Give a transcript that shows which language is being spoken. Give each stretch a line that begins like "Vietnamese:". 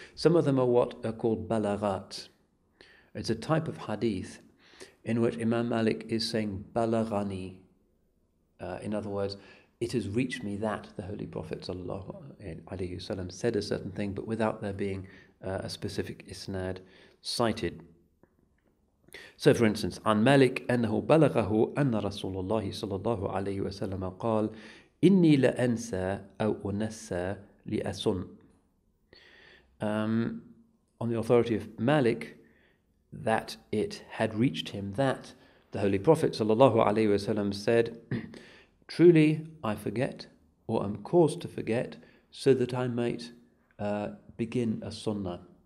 English: Some of them are what are called balaghat. It's a type of hadith in which Imam Malik is saying balaghani. In other words, it has reached me that the Holy Prophet ﷺ said a certain thing, but without there being a specific isnad cited. So, for instance,
Arabic: عن مالك أنه بلغه أن رسول الله صلى الله عليه وسلم قال إني لأنسى أو أنسى لأسن.
English: On the authority of Malik, that it had reached him that the Holy Prophet
Arabic: صلى الله عليه وسلم
English: said, truly I forget, or am caused to forget, so that I might begin a sunnah.